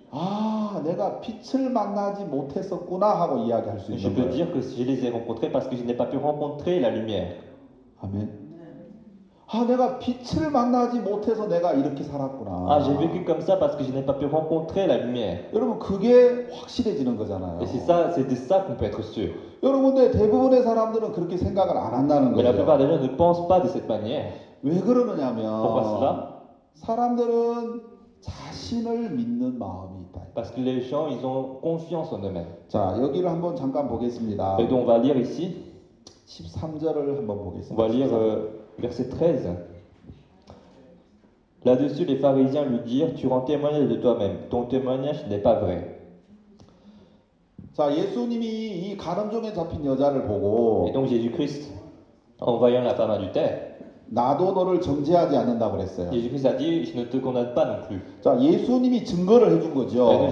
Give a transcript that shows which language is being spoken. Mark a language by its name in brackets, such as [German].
[Korean] 아, 내가 빛을 만나지 못했었구나 하고 이야기할 수 있는 [French] Je peux dire que je les ai rencontrés parce que je n'ai pas pu rencontrer la lumière. [Korean] 아멘. 아, 내가 빛을 만나지 못해서 내가 이렇게 살았구나. [French] Ah, j'ai vécu comme ça parce que je n'ai pas pu rencontrer la lumière. [Korean] 여러분, 그게 확실해지는 거잖아요. [French] Et c'est de ça qu'on peut être sûr. [Korean] 여러분들 대부분의 사람들은 그렇게 생각을 안 한다는 거예요. [French] La plupart des gens ne pensent pas de cette manière. [Korean] 왜 그러느냐면 [French] Pourquoi cela? [Korean] 사람들은 자신을 믿는 마음이 있다. [French] Parce que les gens, ils ont confiance en eux-mêmes. [Korean] 자, 여기를 한번 잠깐 보겠습니다. [French] Et donc, on va lire ici. [Korean] 13절을 한번 보겠습니다. [French] On va lire verset 13. Là-dessus, les pharisiens lui dirent, tu rends témoignage de toi-même. Ton témoignage n'est pas vrai. [Korean] 자, 예수님이 이 가늠종에 잡힌 여자를 보고 [French] Et donc, Jésus-Christ, en voyant la femme adultère, [Korean] 나도 너를 정죄하지 않는다 그랬어요. [French] Jésus-Christ a dit, je ne te condamne pas non plus. [Korean] 자, 예수님이 증거를 해준 거죠.